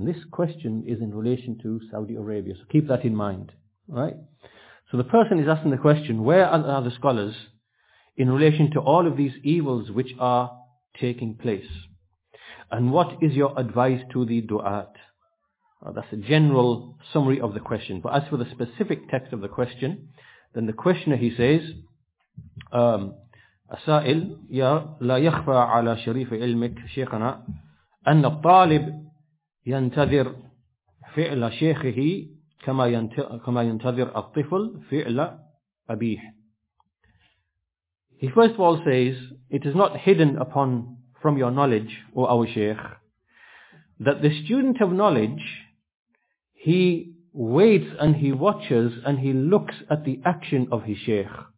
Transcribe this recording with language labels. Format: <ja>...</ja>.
<en>And this question is in relation to Saudi Arabia. So keep that in mind. Right? So the person is asking the question, where are the scholars in relation to all of these evils which are taking place? And what is your advice to the du'at? That's a general summary of the question. But as for the specific text of the question, then the questioner, he says,</en> <ar>السائل لا يخفى على شريف علمك شيخنا أن الطالب ينتظر فعل شيخه كما ينتظر الطفل فعل أبيه.</ar> <en>He first of all says, it is not hidden upon from your knowledge, O our Shaykh, that the student of knowledge, he waits and he watches and he looks at the action of his Shaykh.</en>